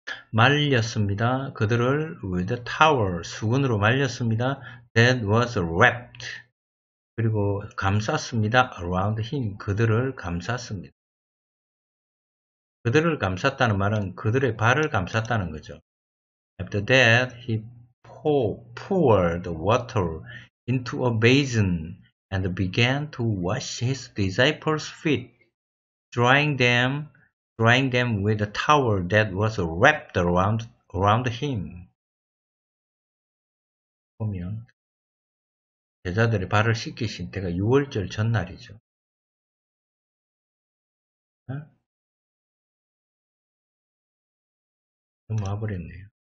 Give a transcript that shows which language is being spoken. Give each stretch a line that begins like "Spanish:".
Korean: 말렸습니다. 그들을
English: with a towel,
Korean: 수건으로 말렸습니다.
English: That was wrapped.
Korean: 그리고 감쌌습니다.
English: Around him.
Korean: 그들을 감쌌습니다. 그들을 감쌌다는 말은 그들의 발을 감쌌다는 거죠.
English: After that, he poured water into a basin. And began to wash his disciples' feet, drying them with a towel that was wrapped around him.
Korean: 보면 제자들의 발을 씻기신 때가 유월절 전날이죠. 응? 너무 와버렸네요.